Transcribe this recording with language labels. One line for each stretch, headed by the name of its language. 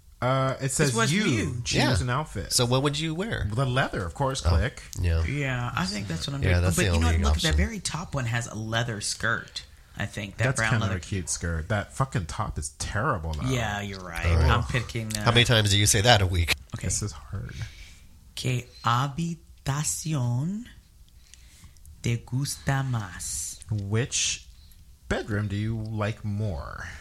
English: It says you choose an outfit. So what would you wear? The leather, of course, click. Oh, yeah. Yeah, I think that's what I'm doing. Yeah, but you know what? Look, that very top one has a leather skirt. I think that's brown leather. That's kind of a cute skirt. That fucking top is terrible, though. Yeah, you're right. Oh. I'm picking that. How many times do you say that a week? Okay. This is hard.
Spanish: ¿Qué habitación te gusta más?
English: Which bedroom do you like more?